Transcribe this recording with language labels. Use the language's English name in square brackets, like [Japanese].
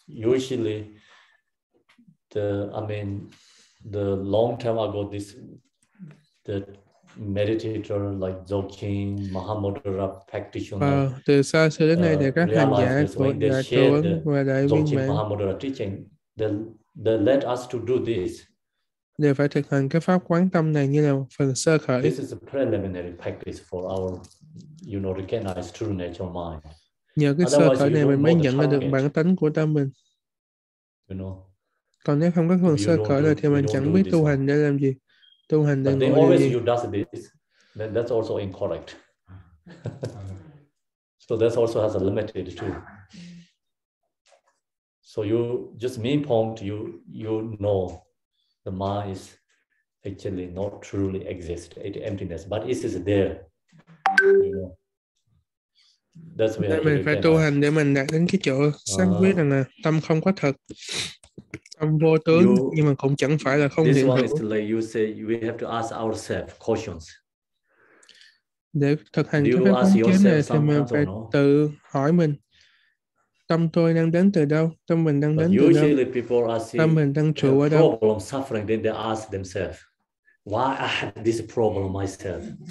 [English] Usually, the long time ago, this the meditator like Dzogchen, Mahamudra practitioner. [Vietnamese] Và từ xa xưa đến nay thì các hành giả của Đại Thủ Ấn và Đại Viên Mạng, [English] Mahamudra teaching, they led us to do this. [Vietnamese] Đều phải thực hành cái pháp quán tâm này như là phần sơ khởi. [English] This is a preliminary practice for our, you know, recognize true nature of mind. [Vietnamese] Nhờ cái sơ khởi này mình mới nhận ra được bản tánh của tâm mình. Còn nếu không có phần sơ khởi này thì mình chẳng biết tu hành để làm gì. Tu hành để ngồi làm gì. [English] That's also incorrect. So that also has a limited too. So you just main point, you know the mind is actually not truly exist. It's emptiness, but it is there. [Vietnamese] Nên mình phải tu hành để mình đạt đến cái chỗ sáng quyết rằng là tâm không có thật, tâm vô tướng, nhưng mà cũng chẳng phải là không hiện hữu. [English] Like you say, we have to ask ourselves questions. [Vietnamese] Để thực hành cái phép quán chiếu này thì mình phải tự hỏi mình, tâm tôi đang đến từ đâu, tâm mình đang đến [English] But [Vietnamese] từ [English] usually [Vietnamese] đâu, [English] people are seeing [Vietnamese] tâm mình đang trụ ở đâu. [English] Problem suffering, then they ask themselves, why I have this problem myself?